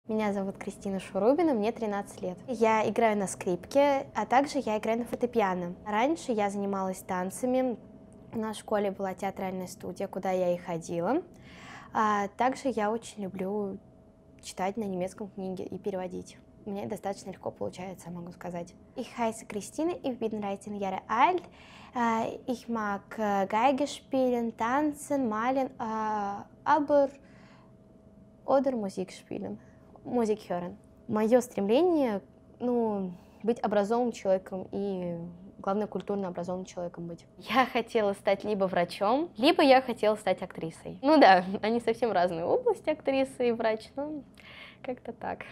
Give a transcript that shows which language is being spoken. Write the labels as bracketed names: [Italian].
[Russian] Меня зовут Кристина Шурубина, мне 13 лет. Я играю на скрипке, а также я играю на фортепиано. Раньше я занималась танцами. У нас в школе была театральная студия, куда я и ходила. А также я очень люблю читать на немецком книге и переводить. Мне достаточно легко получается, могу сказать. [German] Ich heiße Christine, ich bin 13 Jahre alt. Ich mag Geige spielen, tanzen, malen, aber oder Musik spielen. Musik hören. [Russian] Мое стремление, быть образованным человеком и, главное, культурно образованным человеком быть. Я хотела стать либо врачом, либо я хотела стать актрисой. Ну да, они совсем разные области, актриса и врач, но как-то так.